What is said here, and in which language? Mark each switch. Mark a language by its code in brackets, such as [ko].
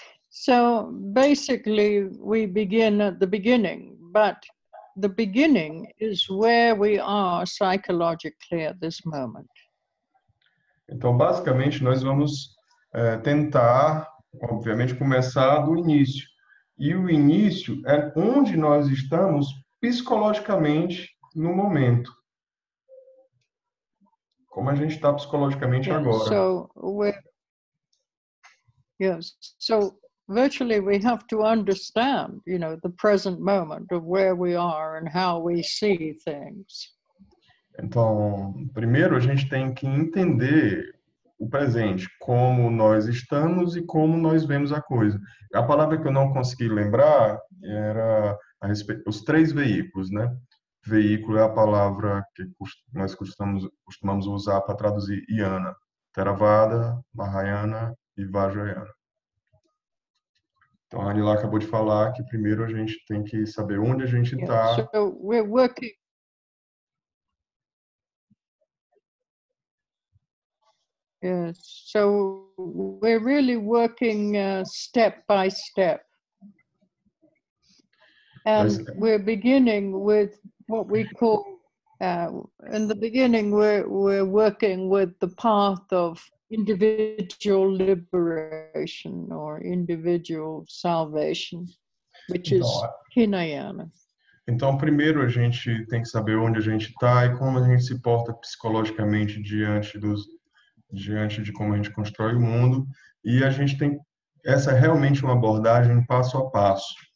[en] So, basically, we begin at the beginning, but the beginning is where we are psychologically at this moment. [pt] Então, basicamente, nós vamos tentar, obviamente, começar do início. E o início é onde nós estamos psicologicamente no momento. Como a gente está psicologicamente agora. [en] So, virtually, we have to understand, you know, the present moment of where we are and how we see things. [pt] Então, primeiro a gente tem que entender o presente, como nós estamos e como nós vemos a coisa. A palavra que eu não consegui lembrar era a respeito dos três veículos, né? Veículo é a palavra que nós costumamos usar para traduzir Yana. Theravada, Mahayana e Vajrayana. Então, a Anila acabou de falar que primeiro a gente tem que saber onde a gente está. [en] Yeah, so we're working. Yes, so we're really working step by step. And we're beginning with what we call, in the beginning, we're working with the path of individual liberation or individual salvation, which is Hinayana. [pt] Então, primeiro a gente tem que saber onde a gente está e como a gente se porta psicologicamente diante de como a gente constrói o mundo. E a gente tem essa realmente uma abordagem passo a passo.